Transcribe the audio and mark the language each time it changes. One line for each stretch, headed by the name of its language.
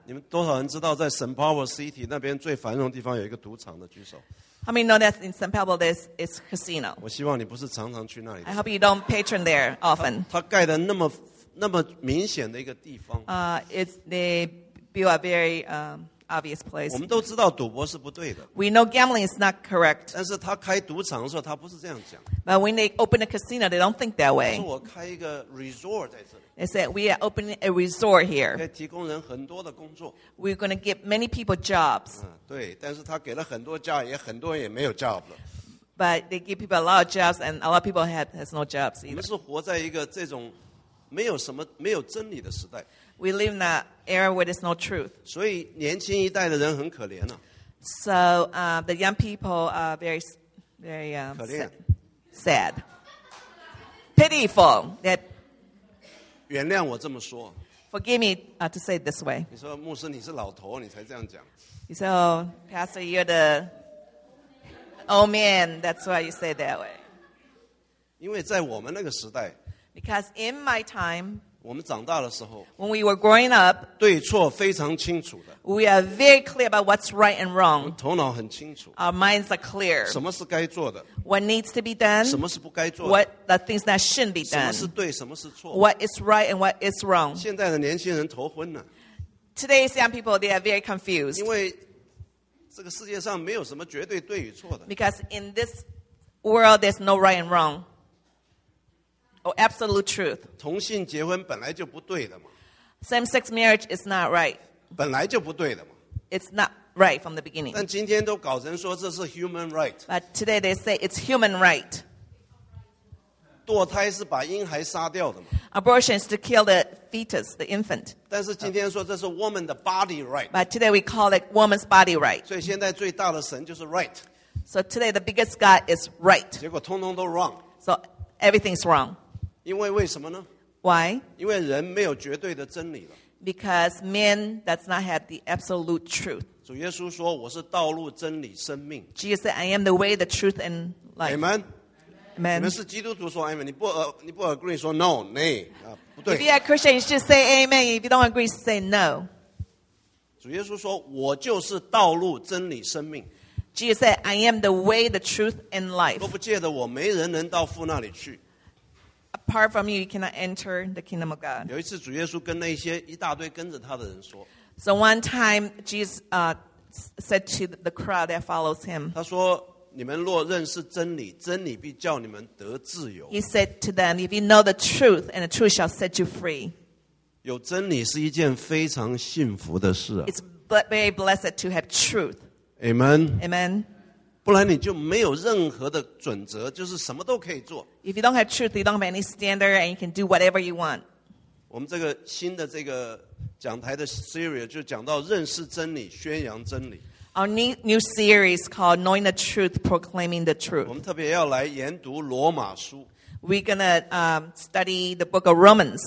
Chinese: 你们多少人知道在 St. Paul City 那边最繁荣的地方有一个赌场的举手？
English: How many know that in St. Paul there is casino?
Chinese: 我希望你不是常常去那里。
English: I hope you don't patron there often.
Chinese: 它盖的那么明显的一个地方。
English: They build a very obvious place.
Chinese: 我们都知道赌博是不对的。
English: We know gambling is not correct.
Chinese: 但是他开赌场的时候，他不是这样讲。
English: But when they open a casino, they don't think that way.
Chinese: 我开一个 resort 在这里。
English: They said we are opening a resort here.
Chinese: 可以提供人很多的工作。
English: We're going to give many people jobs.
Chinese: 对，但是他给了很多假，也很多人也没有 job 了。
English: But they give people a lot of jobs, and a lot of people has no jobs either.
Chinese: 我们是活在一个这种没有什么没有真理的时代。
English: We live in an era where there's no truth.
Chinese: 所以年轻一代的人很可怜啊。
English: So the young people are very, very
Chinese: 可怜
English: sad. Pitiful. That,
Chinese: 原谅我这么说。
English: Forgive me to say it this way.
Chinese: 你说牧师你是老头你才这样讲。
English: You say, oh, Pastor, you're the old man. That's why you say it that way.
Chinese: 因为在我们那个时代。
English: Because in my time,
Chinese: 我们长大的时候
English: When we were growing up,
Chinese: 对错非常清楚的
English: We are very clear about what's right and wrong.
Chinese: 头脑很清楚
English: Our minds are clear.
Chinese: 什么是该做的
English: What needs to be done?
Chinese: 什么是不该做的
English: What the things that shouldn't be done?
Chinese: 什么是对什么是错
English: What is right and what is wrong?
Chinese: 现在的年轻人头昏了
English: Today's young people, they are very confused.
Chinese: 因为这个世界上没有什么绝对对与错的
English: Because in this world, there's no right and wrong. Oh, absolute truth.
Chinese: 同性结婚本来就不对的嘛。
English: Same-sex marriage is not right.
Chinese: 本来就不对的嘛。
English: It's not right from the beginning.
Chinese: 但今天都搞成说这是 human right.
English: But today they say it's human right.
Chinese: 堕胎是把婴孩杀掉的嘛。
English: Abortion is to kill the fetus, the infant.
Chinese: 但是今天说这是 woman 的 body right.
English: But today we call it woman's body right.
Chinese: 所以现在最大的神就是 right.
English: So today the biggest God is right.
Chinese: 结果通通都 wrong.
English: So everything's wrong.
Chinese: 因为为什么呢
English: Why?
Chinese: 因为人没有绝对的真理了
English: Because man does not have the absolute truth.
Chinese: 主耶稣说我是道路真理生命
English: Jesus said I am the way the truth and life. Amen. Amen.
Chinese: 你们是基督徒说 Amen 你不 agree 说 No, nay, 不对
English: If you are a Christian you should say Amen If you don't agree say No.
Chinese: 主耶稣说我就是道路真理生命
English: Jesus said I am the way the truth and life.
Chinese: 若不借着我没人能到父那里去
English: Apart from you, you cannot enter the kingdom of God.
Chinese: 有一次，主耶稣跟那些一大堆跟着他的人说。
English: So one time, Jesus said to the crowd that follows him.
Chinese: 他说：“你们若认识真理，真理必叫你们得自由。”
English: He said to them, "If you know the truth, and the truth shall set you free."
Chinese: 有真理是一件非常幸福的事啊。
English: It's very blessed to have truth. Amen. Amen.
Chinese: 不然你就没有任何的准则，就是什么都可以做。
English: If you don't have truth, you don't have any standard, and you can do whatever you want.
Chinese: 我们这个新的这个讲台的 series 就讲到认识真理，宣扬真理。
English: Our new series called Knowing the Truth, Proclaiming the Truth.
Chinese: 我们特别要来研读罗马书。
English: We're gonna study the book of Romans.